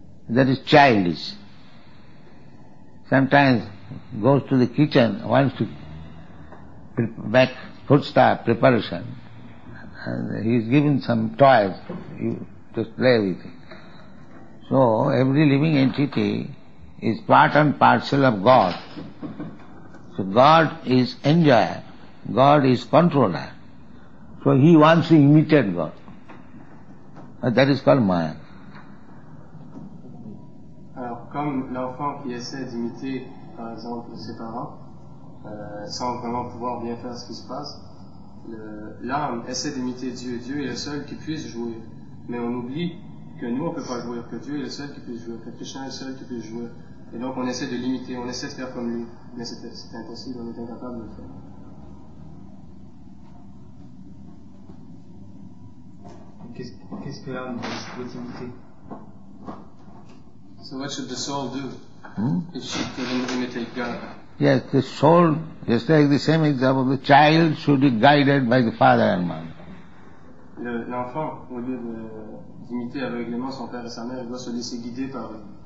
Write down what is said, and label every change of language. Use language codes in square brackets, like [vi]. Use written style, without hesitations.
[en] That is childish. Sometimes goes to the kitchen, wants to make foodstuff preparation, and he is given some toys to play with. So, every living entity is part and parcel of God. So God is enjoyer, God is controller. So he wants to imitate God. And that is called maya. [fr] Alors, comme l'enfant qui essaie d'imiter, par exemple, ses parents, sans vraiment pouvoir bien faire ce qui se passe, l'âme essaie d'imiter Dieu. Dieu est le seul qui puisse jouer. Mais on oublie que nous, on ne peut pas jouer, que Dieu est le seul qui puisse jouer, que Krishna est le seul qui puisse jouer. Et donc on essaie de l'imiter, on essaie de faire comme lui, mais c'est impossible, on est incapable de le faire. Qu'est-ce que l'âme doit imiter? [en] So what should the soul do if she doesn't imitate God? Yes, the soul, just like the same example, the child should be guided by the father and mother. [fr] L'enfant, au lieu d'imiter aveuglément son père et sa mère, il doit se laisser guider par eux.